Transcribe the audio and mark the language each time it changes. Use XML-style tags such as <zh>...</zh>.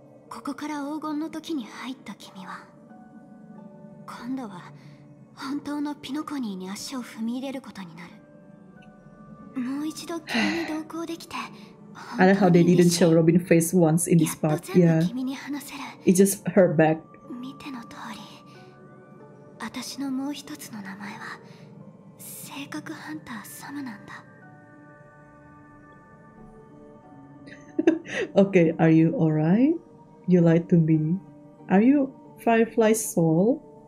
<ja>ここから黄金の時に入った君は、今度は本当のピノコニーに足を踏み入れることになる。もう一度君に同行できて、</ja> <en>I like how they didn't show Robin face once in this part. Yeah.</en> <ja>に話せる。</ja> <en>It just hurt back.</en> <ja>見ての通り、私のもう一つの名前は性格ハンターサムなんだ。</ja> <en>Okay, are you all right? You lied to me. Are you Firefly's soul?</en>